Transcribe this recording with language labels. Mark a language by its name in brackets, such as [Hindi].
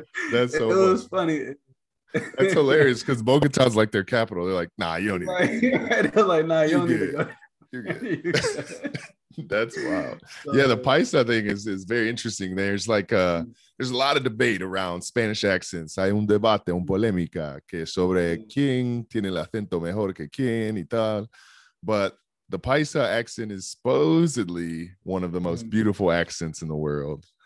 [English] That's so it was funny. That's hilarious because Bogota's like their capital. They're like, nah, you don't need right. They're like, nah, you don't need to go. You're good. You're good. That's wild. So, yeah, the Paisa thing is very interesting. There's like there's a lot of debate around Spanish accents. [Spanish] Hay un debate, un polémica que sobre quién tiene el acento mejor que quién y tal. [English] But the Paisa accent is supposedly one of the most beautiful accents in the world.